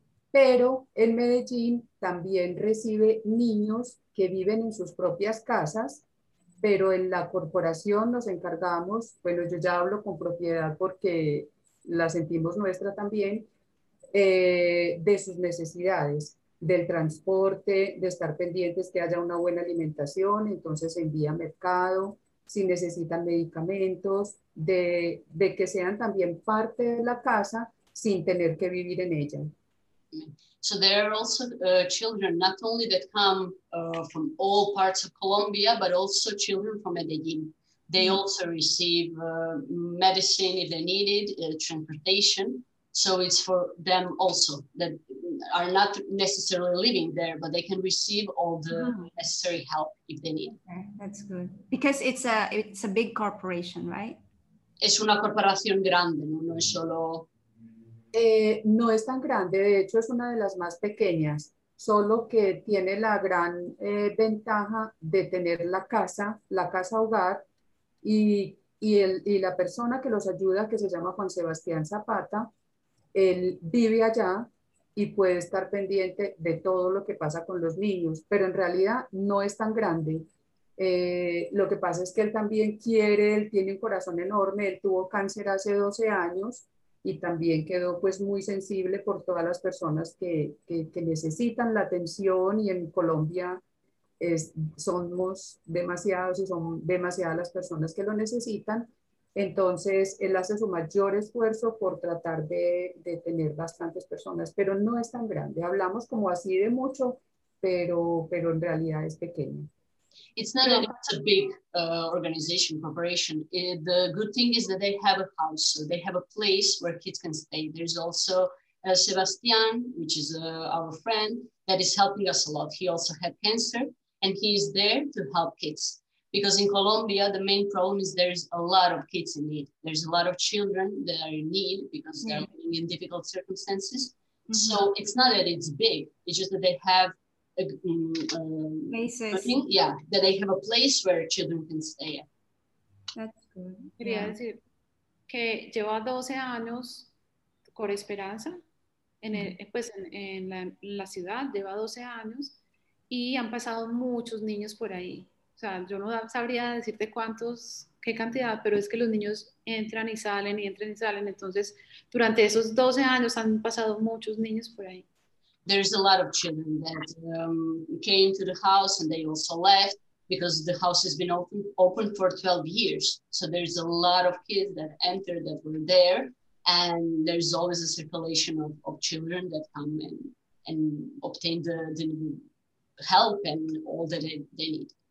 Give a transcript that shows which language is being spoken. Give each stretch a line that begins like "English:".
Spanish: Pero en Medellín también recibe niños que viven en sus propias casas, pero en la corporación nos encargamos, bueno, yo ya hablo con propiedad porque la sentimos nuestra también, de sus necesidades, del transporte, de estar pendientes que haya una buena alimentación, entonces envía mercado, si necesitan medicamentos, de que sean también parte de la casa sin tener que vivir en ella.
English: So there are also children not only that come from all parts of Colombia, but also children from Medellin. They also receive medicine if they need it, transportation. So it's for them also that are not necessarily living there, but they can receive all the necessary help if they need. Okay, that's good. Because it's a big corporation, right?
Spanish: es una corporación grande, ¿no? No es solo... No es tan grande, de hecho es una de las más pequeñas, solo que tiene la gran ventaja de tener la casa hogar, y la persona que los ayuda, que se llama Juan Sebastián Zapata, él vive allá y puede estar pendiente de todo lo que pasa con los niños, pero en realidad no es tan grande. Lo que pasa es que él también quiere, él tiene un corazón enorme, él tuvo cáncer hace 12 años, y también quedó pues muy sensible por todas las personas que necesitan la atención, y en Colombia somos demasiados y son demasiadas las personas que lo necesitan. Entonces él hace su mayor esfuerzo por tratar de tener bastantes personas, pero no es tan grande. Hablamos como así de mucho, pero en realidad es pequeño.
English: It's not a big organization, corporation. The good thing is that they have a house. So they have a place where kids can stay. There's also Sebastian, which is our friend, that is helping us a lot. He also had cancer, and he is there to help kids. Because in Colombia, the main problem is there's a lot of kids in need. There's a lot of children that are in need because they're living in difficult circumstances. Mm-hmm. So it's not that it's big. It's just that they have that they have a place where children can stay. That's good.
Spanish: Decir que lleva 12 años Cor Esperanza en el, pues en la ciudad, lleva 12 años y han pasado muchos niños por ahí. O sea, yo no sabría decirte cuántos, qué cantidad, pero es que los niños entran y salen y entran y salen. Entonces, durante esos 12 años han pasado muchos niños por ahí.
English: There's a lot of children that came to the house and they also left because the house has been open for 12 years. So there's a lot of kids that entered that were there, and there's always a circulation of children that come and obtain the help and all that they need.